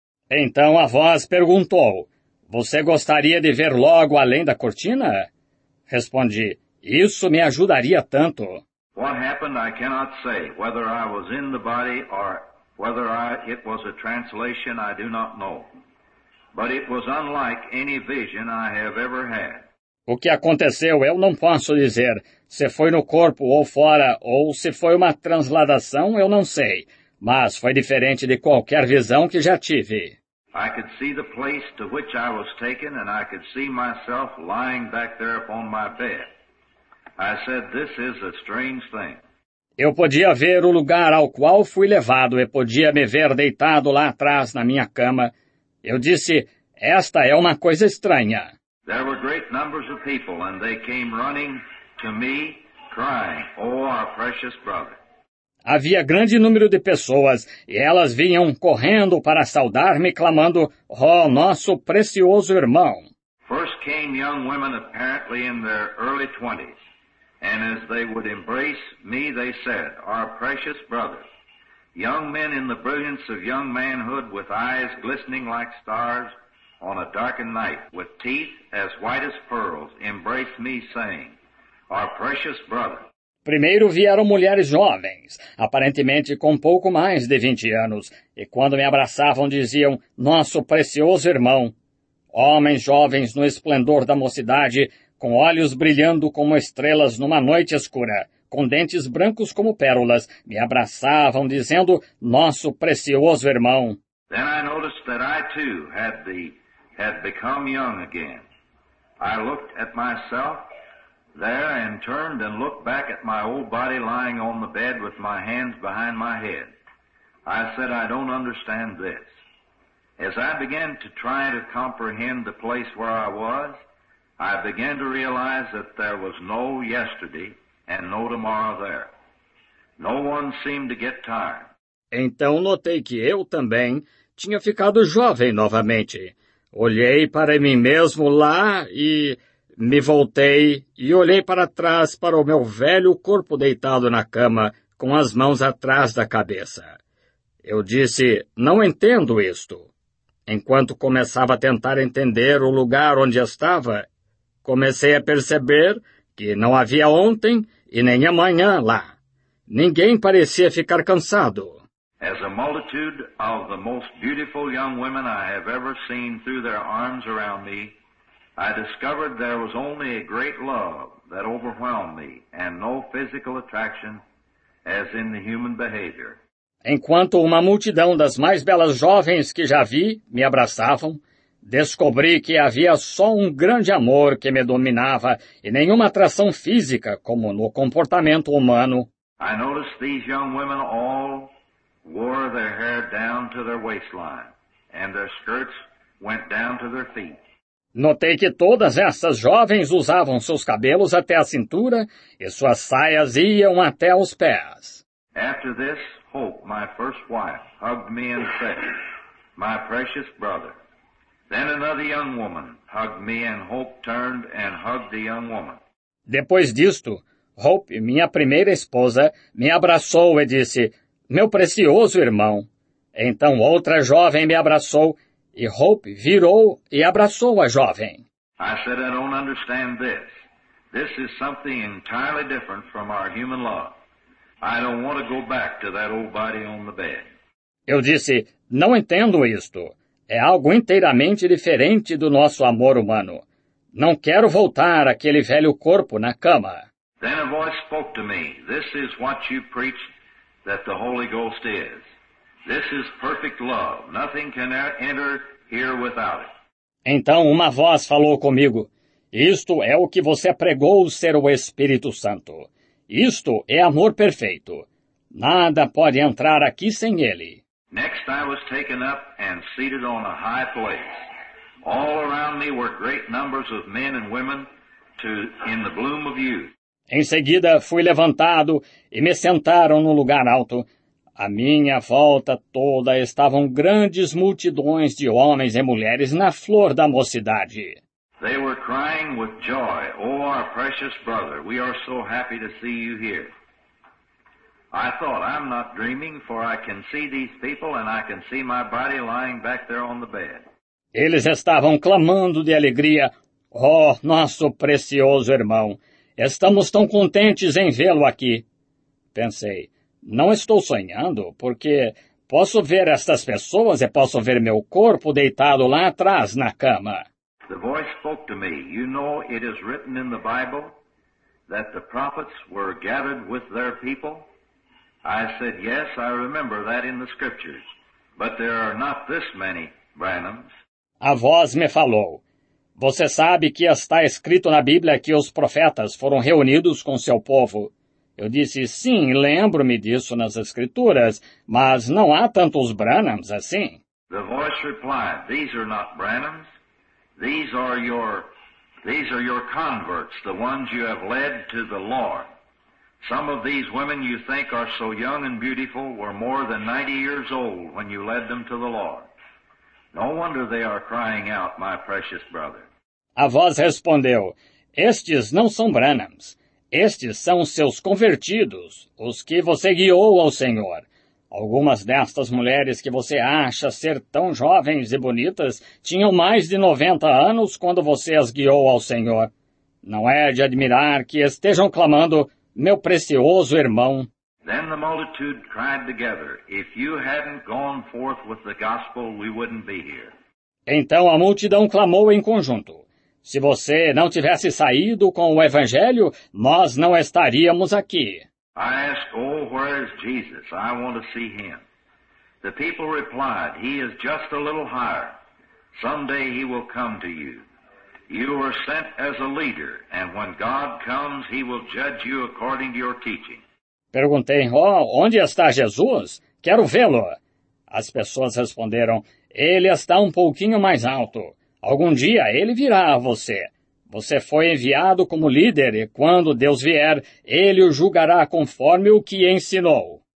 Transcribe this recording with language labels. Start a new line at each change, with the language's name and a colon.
Portuguese: Então a voz perguntou, você gostaria de ver logo além da cortina? Respondi, isso me ajudaria tanto.
English: What happened, I cannot say, whether I was in the body or whether it was a translation, I do not know. But it was unlike any vision I have ever had.
Portuguese: O que aconteceu, eu não posso dizer. Se foi no corpo ou fora, ou se foi uma transladação, eu não sei. Mas foi diferente de qualquer visão que já tive.
English: I could see the place to which I was taken, and I could see myself lying back there upon my bed. I said, this is a strange thing.
Portuguese: Eu podia ver o lugar ao qual fui levado e podia me ver deitado lá atrás na minha cama. Eu disse, esta é uma coisa estranha.
English: There were great numbers of people, and they came running to me, crying, oh, our precious brother.
Portuguese: Havia grande número de pessoas, e elas vinham correndo para saudar-me, clamando, oh, nosso precioso irmão.
English: First came young women, apparently in their early 20s. And as they would embrace me, they said, our precious brother, young men in the brilliance of young manhood with eyes glistening like stars on a darkened night, with teeth as white as pearls, embrace me, saying, our precious brother.
Portuguese: Primeiro vieram mulheres jovens, aparentemente com pouco mais de 20 anos, e quando me abraçavam diziam, nosso precioso irmão. Homens jovens no esplendor da mocidade, com olhos brilhando como estrelas numa noite escura, com dentes brancos como pérolas, me abraçavam dizendo, nosso precioso irmão.
English: Then I noticed that I too had become young again. I looked at myself there and turned and looked back at my old body lying on the bed with my hands behind my head. I said, I don't understand this. As I began to try to comprehend the place where I was, I began to realize that there was no yesterday and no tomorrow there. No one seemed to get tired.
Portuguese: Então notei que eu também tinha ficado jovem novamente. Olhei para mim mesmo lá e me voltei e olhei para trás para o meu velho corpo deitado na cama com as mãos atrás da cabeça. Eu disse, não entendo isto. Enquanto começava a tentar entender o lugar onde estava, comecei a perceber que não havia ontem e nem amanhã lá. Ninguém parecia ficar cansado.
English: As a multitude of the most beautiful young women I have ever seen threw their arms around me, I discovered there was only a great love that overwhelmed me and no physical attraction as in the human behavior.
Portuguese: Enquanto uma multidão das mais belas jovens que já vi me abraçavam, descobri que havia só um grande amor que me dominava e nenhuma atração física como no comportamento humano.
English: I noticed these young women all wore their hair down to their waistline and their skirts went down to their feet.
Portuguese: Notei que todas essas jovens usavam seus cabelos até a cintura e suas saias iam até os pés.
English: After this, Hope, my first wife, hugged me and said, my precious brother. Then another young woman hugged me and Hope turned and hugged the young woman.
Portuguese: Depois disto, Hope, minha primeira esposa, me abraçou e disse, meu precioso irmão. Então outra jovem me abraçou e Hope virou e abraçou a jovem.
English: I said, I don't understand this. This is something entirely different from our human love. I don't want to go back to that old body on the bed.
Portuguese: Eu disse, não entendo isto. É algo inteiramente diferente do nosso amor humano. Não quero voltar àquele velho corpo na cama.
English: Then a voice spoke to me. This is what you preach that the Holy Ghost is. This is perfect love. Nothing can enter here without it.
Portuguese: Então uma voz falou comigo. Isto é o que você pregou ser o Espírito Santo. Isto é amor perfeito. Nada pode entrar aqui sem ele.
English: Next I was taken up and seated on a high place. All around me were great numbers of men and women in the bloom of youth.
Portuguese: Em seguida fui levantado e me sentaram no lugar alto. À minha volta toda estavam grandes multidões de homens e mulheres na flor da mocidade.
English: They were crying with joy, "Oh, our precious brother, we are so happy to see you here." I thought, "I'm not dreaming, for I can see these people and I can see my body lying back there on the bed."
Portuguese: Eles estavam clamando de alegria, "Oh, nosso precioso irmão, estamos tão contentes em vê-lo aqui." Pensei, "Não estou sonhando, porque posso ver estas pessoas e posso ver meu corpo deitado lá atrás na cama."
English: The voice spoke to me. "You know, it is written in the Bible that the prophets were gathered with their people." I said, "Yes, I remember that in the scriptures, but there are not this many Branhams."
Portuguese: A voz me falou, "Você sabe que está escrito na Bíblia que os profetas foram reunidos com seu povo." Eu disse, "Sim, lembro-me disso nas escrituras, mas não há tantos Branhams assim."
English: The voice replied, "These are not Branhams. These are your converts, the ones you have led to the Lord. Some of these women you think are so young and beautiful were more than 90 years old when you led them to the Lord. No wonder they are crying out, my precious brother."
Portuguese: A voz respondeu, "Estes não são Branhams. Estes são seus convertidos, os que você guiou ao Senhor. Algumas destas mulheres que você acha ser tão jovens e bonitas tinham mais de 90 anos quando você as guiou ao Senhor. Não é de admirar que estejam clamando, meu precioso irmão."
English: Then the multitude cried together, "If you hadn't gone forth with the gospel, we wouldn't be here."
Portuguese: Então a multidão clamou em conjunto, "Se você não tivesse saído com o evangelho, nós não estaríamos aqui."
English: I asked, "Oh, where is Jesus? I want to see him." The people replied, "He is just a little higher. Someday he will come to you. You are sent as a leader, and when God comes, he will judge you according to your teaching."
Portuguese: Perguntei, "Oh, onde está Jesus? Quero vê-lo." As pessoas responderam, "Ele está um pouquinho mais alto. Algum dia ele virá a você. Você foi enviado como líder, e quando Deus vier, ele o julgará conforme o que ensinou."